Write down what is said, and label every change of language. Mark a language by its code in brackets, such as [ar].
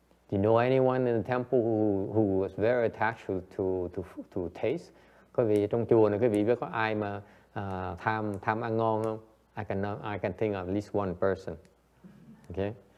[en] Do you know anyone in the temple who was very attached to taste? [vi] Có vị trong chùa này, quý vị biết có ai mà tham ăn ngon không? [en] I can think of at least one person. Okay.